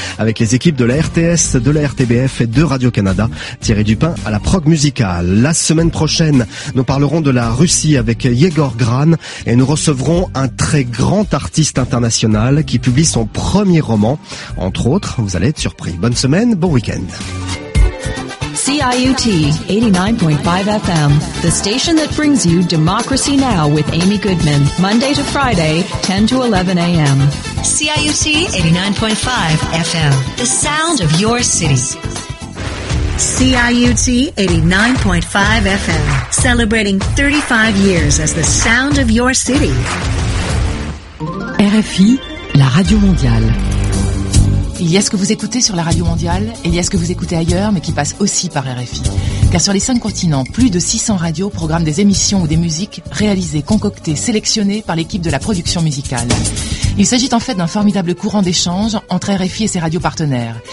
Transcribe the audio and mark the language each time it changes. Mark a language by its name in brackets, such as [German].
[French] Avec les équipes de la RTS, de la RTBF et de Radio-Canada. Thierry Dupin à la prog musicale. La semaine prochaine, nous parlerons de la Russie avec Yegor Gran. Et nous recevrons un très grand artiste international qui publie son premier roman. Entre autres, vous allez être surpris. Bonne semaine, bon week-end. [English] CIUT 89.5 FM, the station that brings you Democracy Now! With Amy Goodman, Monday to Friday, 10 to 11 a.m. CIUT 89.5 FM, the sound of your city. CIUT 89.5 FM, celebrating 35 years as the sound of your city. [French] RFI, la radio mondiale. Il y a ce que vous écoutez sur la radio mondiale et il y a ce que vous écoutez ailleurs mais qui passe aussi par RFI. Car sur les 5 continents, plus de 600 radios programment des émissions ou des musiques réalisées, concoctées, sélectionnées par l'équipe de la production musicale. Il s'agit en fait d'un formidable courant d'échange entre RFI et ses radios partenaires.